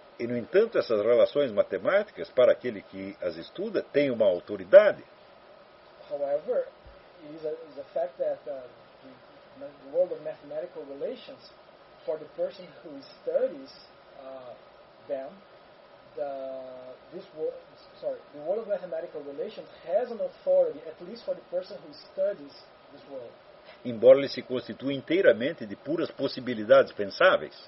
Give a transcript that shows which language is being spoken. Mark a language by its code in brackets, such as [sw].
[pt] E no entanto, essas relações matemáticas, para aquele que as estuda, têm uma autoridade. [en] However, it is a fact that the world of mathematical relations, for the person who studies them, the world of mathematical relations has an authority, at least for the person who studies this world. [pt] Embora ele se constitua inteiramente de puras possibilidades pensáveis.